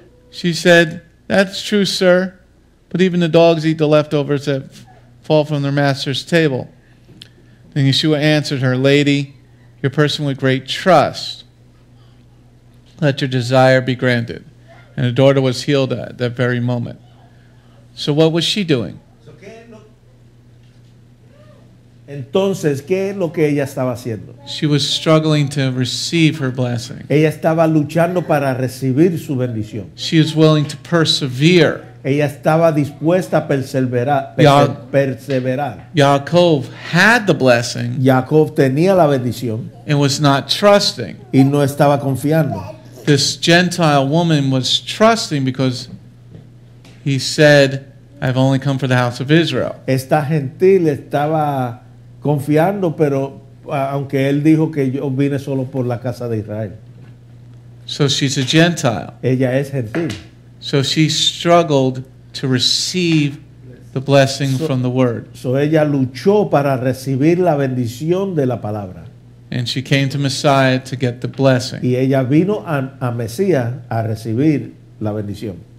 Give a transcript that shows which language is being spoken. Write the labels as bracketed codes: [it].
[en] She said, "That's true, sir. But even the dogs eat the leftovers that fall from their master's table." Then Yeshua answered her, "Lady, you're a person with great trust. Let your desire be granted." And her daughter was healed at that very moment. So what was she doing? [es] Entonces, ¿qué es lo que ella estaba haciendo? [en] She was struggling to receive her blessing. [es] Ella estaba luchando para recibir su bendición. [en] She is willing to persevere. [es] Ella estaba dispuesta a perseverar. [en] Yaakov had the blessing. [es] Yaakov tenía la bendición. [en] And was not trusting. [es] Y no estaba confiando. [en] This Gentile woman was trusting because he said, "I've only come for the house of Israel." [es] Esta gentil estaba confiando, pero aunque él dijo que yo vine solo por la casa de Israel. [en] So she's a Gentile. [es] Ella es gentil. [en] So she struggled to receive the blessing from the word. [es] So ella luchó para recibir la bendición de la palabra. [en] And she came to Messiah to get the blessing. [es] Y ella vino a Mesías a recibir la bendición.